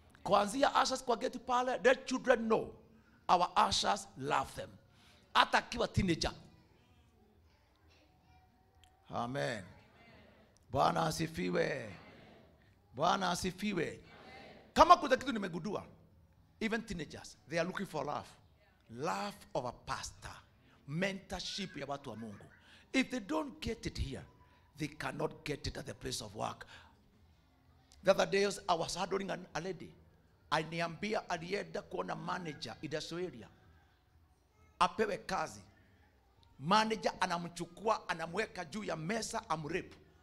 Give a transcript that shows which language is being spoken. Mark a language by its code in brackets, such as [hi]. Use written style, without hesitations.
[sw] Kuanzia ushers kwa geti pale, [en] their children know our ushers love them. [sw] Hata kiwa teenager. Amen. Bwana asifiwe. Bwana asifiwe. Kama kuna kitu nimegudua, [en] even teenagers, they are looking for love. Love of a pastor. [sw] Mentorship ya watu wa Mungu. [en] If they don't get it here, they cannot get it at the place of work. The other days, I was huddling a lady. [sw] Aliniambia alienda kuona [en] manager in the area. [sw] Apewe kazi. Manager anamchukua, anamweka juu ya mesa, amrape.